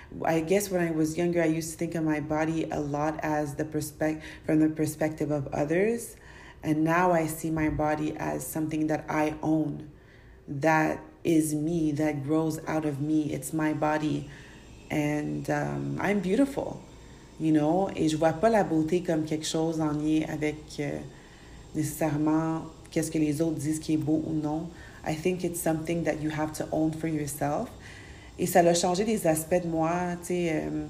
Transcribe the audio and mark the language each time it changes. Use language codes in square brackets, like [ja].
[en] I guess when I was younger, I used to think of my body a lot as from the perspective of others. And now I see my body as something that I own, that is me, that grows out of me. It's my body. And I'm beautiful, you know? [fr] Et je vois pas la beauté comme quelque chose en lien avec nécessairement qu'est-ce que les autres disent qui est beau ou non. [en] I think it's something that you have to own for yourself. [fr] Et ça l'a changé des aspects de moi, tu sais.